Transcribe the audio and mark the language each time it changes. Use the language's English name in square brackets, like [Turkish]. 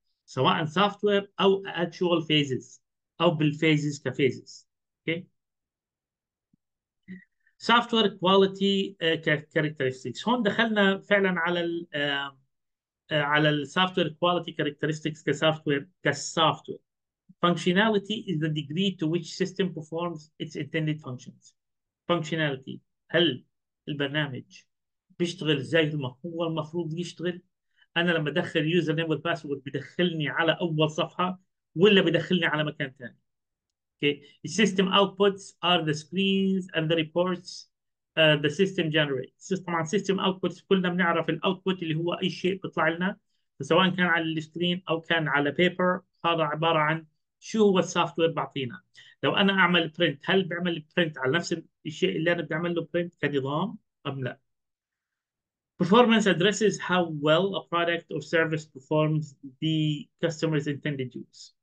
[Arabic] سواء سوفت وير او اكشوال فيزز او بالفيزز كفيزز. اوكي. سوفت وير كواليتي كاركترستكس. هون دخلنا فعلا على الـ على السوفت وير كواليتي كاركترستكس كسوفت وير كسوفت وير. [English] Functionality is the degree to which system performs its intended functions. [Arabic] Functionality هل البرنامج بيشتغل زي ما هو المفروض يشتغل؟ أنا لما أدخل يوزر نيم والباسورد بدخلني على أول صفحة ولا بدخلني على مكان ثاني؟ Okay. [English] The system outputs are the screens and the reports the system generates. [Arabic] طبعا system outputs كلنا بنعرف الاوتبوت اللي هو أي شيء بيطلع لنا، فسواء كان على السكرين أو كان على بيبر، هذا عبارة عن شو هو السوفت وير بعطينا. لو انا اعمل برنت، هل بعمل برنت على نفس الشيء اللي انا بدي اعمل له برنت كنظام ام لا؟ [English] Performance addresses how well a product or service performs the customer's intended use.